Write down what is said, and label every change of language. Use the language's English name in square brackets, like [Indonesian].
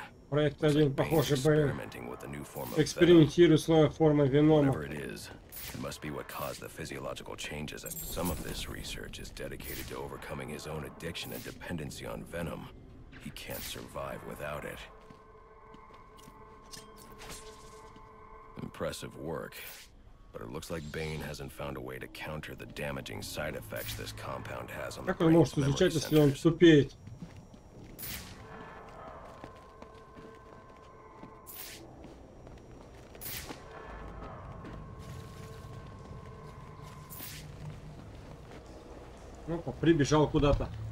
[Russian] Проект 1, похоже, Бен экспериментирует с новой формой Венома. [English] It must be what caused the physiological changes. Some of this research is dedicated to overcoming his own addiction and dependency on Venom. He can't survive without it. Impressive work. But it looks like Bane hasn't found a way to counter the damaging side effects this compound has on the brain. [Russian] Как он может изучать, если он тупеет? Опа, прибежал куда-то.